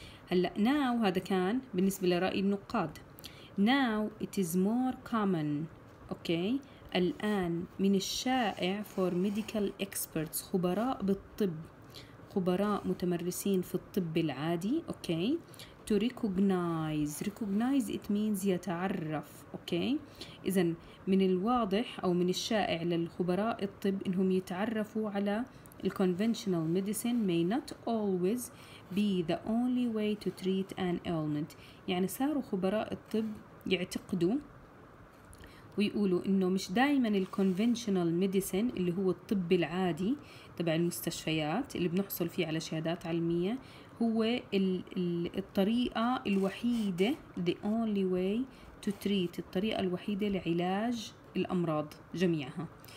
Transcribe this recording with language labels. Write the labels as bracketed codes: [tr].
[ar] هلأ now هذا كان بالنسبة لرأي النقاد. [en] Now it is more common، [ar] أوكي، الآن من الشائع [en] for medical experts، [ar] خبراء بالطب، خبراء متمرسين في الطب العادي، okay، [en] to recognize it means [ar] يتعرف، okay. إذن من الواضح أو من الشائع للخبراء الطب إنهم يتعرفوا على [en] Conventional medicine may not always be the only way to treat an ailment. [ar] يعني صاروا خبراء الطب يعتقدوا ويقولوا إنه مش دائماً الconventional medicine اللي هو الطب العادي تبع المستشفيات اللي بنحصل فيه على شهادات علمية هو الطريقة الوحيدة [en] the only way to treat [ar] الطريقة الوحيدة لعلاج الأمراض جميعها.